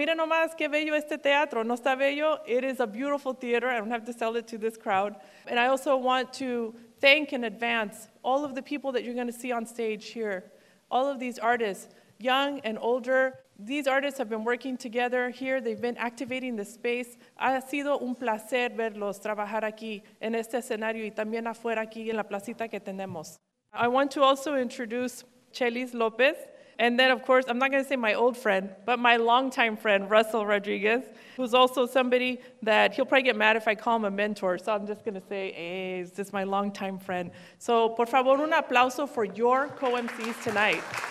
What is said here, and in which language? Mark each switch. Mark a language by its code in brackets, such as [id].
[es] Miren nomás qué bello este teatro. ¿No está bello? [en] It is a beautiful theater. I don't have to sell it to this crowd. And I also want to thank in advance all of the people that you're going to see on stage here, all of these artists, young and older. These artists have been working together here. They've been activating the space. [es] Ha sido un placer verlos trabajar aquí en este escenario y también afuera aquí en la placita que tenemos. [en] I want to also introduce Chelis López, and then, of course, I'm not going to say my old friend, but my longtime friend, Russell Rodriguez, who's also somebody that he'll probably get mad if I call him a mentor, so I'm just going to say, hey, is this my longtime friend? So, [es] por favor, un aplauso [en] for your co-MCs tonight.